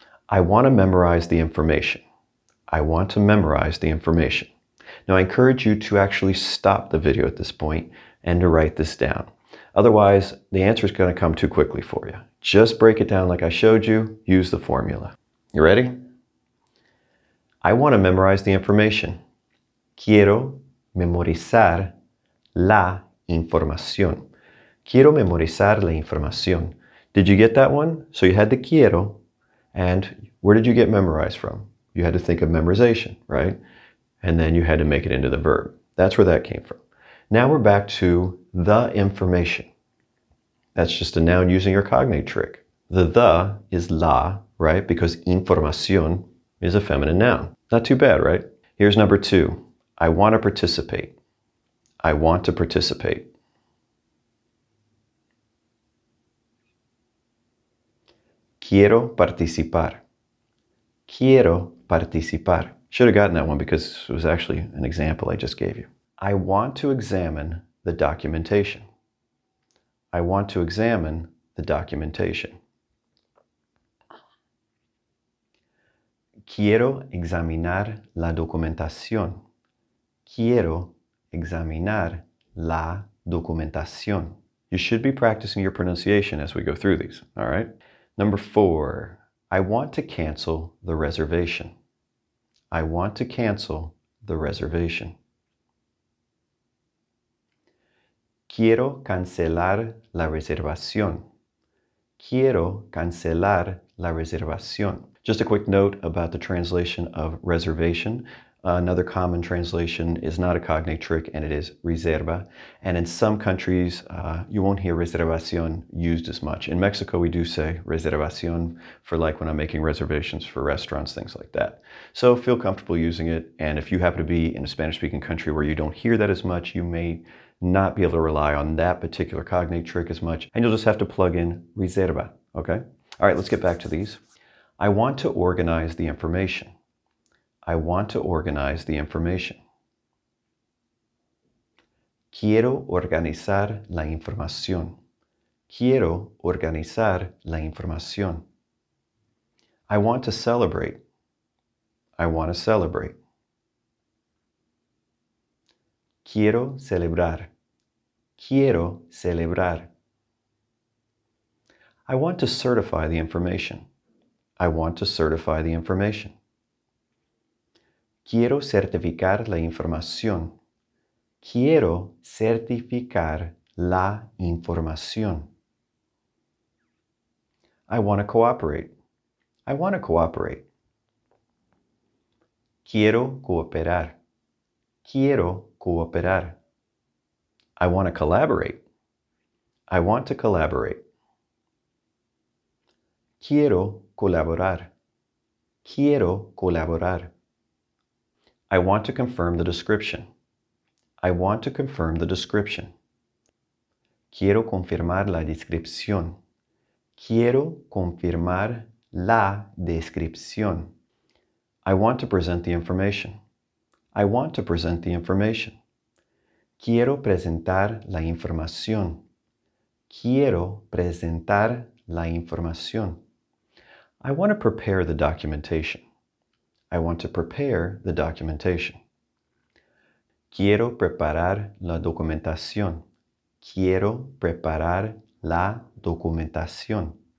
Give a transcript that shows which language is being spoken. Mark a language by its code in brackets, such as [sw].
[en] I want to memorize the information. I want to memorize the information. Now, I encourage you to actually stop the video at this point and to write this down. Otherwise, the answer is going to come too quickly for you. Just break it down like I showed you. Use the formula. You ready? I want to memorize the information. [es] Quiero memorizar la información. Quiero memorizar la información. [en] Did you get that one? So you had the quiero, and where did you get memorize from? You had to think of memorization, right? And then you had to make it into the verb. That's where that came from. Now we're back to the information. That's just a noun using your cognate trick. The is la, right? Because información is a feminine noun. Not too bad, right? Here's number two. I want to participate. I want to participate. [es] Quiero participar. Quiero participar. [en] Should have gotten that one because it was actually an example I just gave you. I want to examine the documentation. I want to examine the documentation. [es] Quiero examinar la documentación. Quiero examinar la documentación. [en] You should be practicing your pronunciation as we go through these, all right? Number four, I want to cancel the reservation. I want to cancel the reservation. [es] Quiero cancelar la reservación. Quiero cancelar la reservación. [en] Just a quick note about the translation of reservation. Another common translation is not a cognate trick, and it is reserva. And in some countries, you won't hear reservación used as much. In Mexico, we do say reservación for like when I'm making reservations for restaurants, things like that. So feel comfortable using it. And if you happen to be in a Spanish-speaking country where you don't hear that as much, you may not be able to rely on that particular cognate trick as much. And you'll just have to plug in reserva, okay? All right, let's get back to these. I want to organize the information. I want to organize the information. [es] Quiero organizar la información. Quiero organizar la información. [en] I want to celebrate. I want to celebrate. [es] Quiero celebrar. Quiero celebrar. [en] I want to certify the information. I want to certify the information. [es] Quiero certificar la información. Quiero certificar la información. [en] I want to cooperate. I want to cooperate. [es] Quiero cooperar. Quiero cooperar. [en] I want to collaborate. I want to collaborate. [es] Quiero colaborar. Quiero colaborar. [en] I want to confirm the description. I want to confirm the description. [es] Quiero confirmar la descripción. Quiero confirmar la descripción. [en] I want to present the information. I want to present the information. [es] Quiero presentar la información. Quiero presentar la información. [en] I want to prepare the documentation. I want to prepare the documentation. [es] Quiero preparar la documentación. Quiero preparar la documentación.